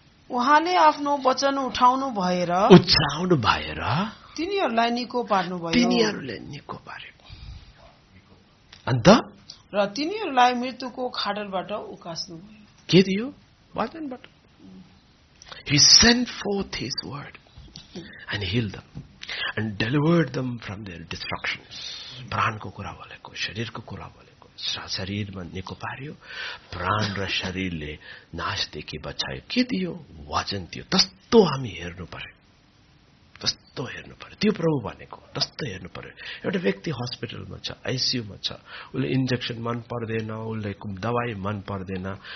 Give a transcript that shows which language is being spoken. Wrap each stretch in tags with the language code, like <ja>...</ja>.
<ne>उहाँले आफ्नो वचन उठाउनु भएर उठाउनु भएर तिनीहरूलाई निको पार्नुभयो. तिनीहरूलाई निको पारे. अन्त र तिनीहरूलाई मृत्युको खाडलबाट उकास्नुभयो. के दियो वचनबाट.</ne> <en>He sent forth his word and healed them and delivered them from their destructions.</en> <ne>प्राणको कुरा बोलेको. शरीरको कुरा बोलेको. शरीरमा निको पार्यो. प्राण र शरीरले नाशदेखि बचायो. के दियो वचन. त्यो तस्तो हामी हेर्नु पर्यो. तस्तो हेर्नु पर्यो. त्यो प्रभु भनेको तस्तो हेर्नु पर्यो. एउटा व्यक्ति हस्पिटलमा छ. आइसियूमा छ. उसले इन्जेक्सन मन पर्दैन. उसले दबाई मन पर्दैन.</ne>